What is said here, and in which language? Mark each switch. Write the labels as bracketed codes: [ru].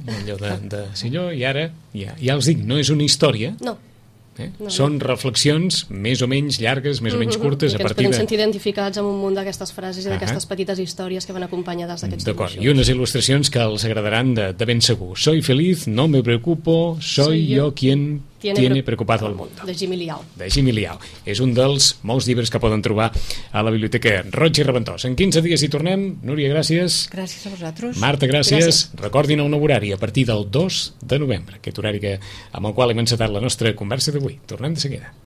[ca] Allò de senyor, i ara, ja els dic, no és una història. No. Són reflexions més o menys llargues, més o menys curtes. Que ens podem sentir identificats amb un munt d'aquestes frases i d'aquestes petites històries que van acompanyades d'aquests dibuixos. D'acord, i unes il·lustracions que els agradaran de ben segur. [es] Soy feliz, no me preocupo, soy yo quien tiene preocupado al mundo. [ca] De Jimmy Liao. De Jimmy Liao. És un dels molts llibres que poden trobar a la Biblioteca Roig i Reventós. En 15 dies hi tornem. Núria, gràcies. Gràcies a vosaltres. Marta, gràcies. Recordin el nou horari a partir del 2 de novembre, aquest horari amb el qual hem encetat la nostra conversa d'avui. Tornem de seguida.